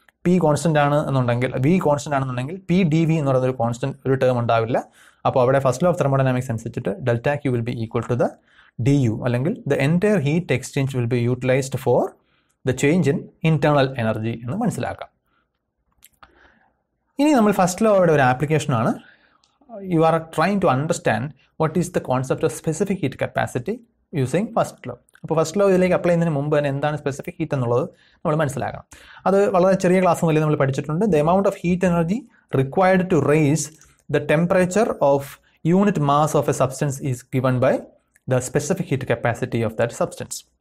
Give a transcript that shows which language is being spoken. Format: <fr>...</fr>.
<ml>P constant ആണ് എന്നുണ്ടെങ്കിൽ, V constant ആണെന്നുണ്ടെങ്കിൽ പി ഡി വി എന്ന് പറയുന്ന ഒരു കോൺസ്റ്റൻ്റ് ഒരു ടേം ഉണ്ടാവില്ല. അപ്പോൾ അവിടെ</ml> <en>first law of thermodynamics</en> <ml>അനുസരിച്ചിട്ട്</ml> <en>delta Q will be equal to the D U,</en> <ml>അല്ലെങ്കിൽ</ml> <en>the entire heat exchange will be utilised for the change in internal energy</en> <ml>എന്ന് മനസ്സിലാക്കാം. ഇനി നമ്മൾ ഫസ്റ്റ് ലോ അവിടെ ഒരു ആപ്ലിക്കേഷനാണ്.</ml> <en>You are trying to understand what is the concept of specific heat capacity using first law.</en> <ml>അപ്പോൾ first law ഇതിലേക്ക് apply ചെയ്യുന്നതിന് മുമ്പ് തന്നെ എന്താണ് സ്പെസിഫിക് ഹീറ്റ് എന്നുള്ളത് നമ്മൾ മനസ്സിലാക്കണം. അത് വളരെ ചെറിയ ക്ലാസ് മുതലേ നമ്മൾ പഠിച്ചിട്ടുണ്ട്.</ml> <en>The amount of heat energy required to raise the temperature of unit mass of a substance is given by the specific heat capacity of that substance.</en>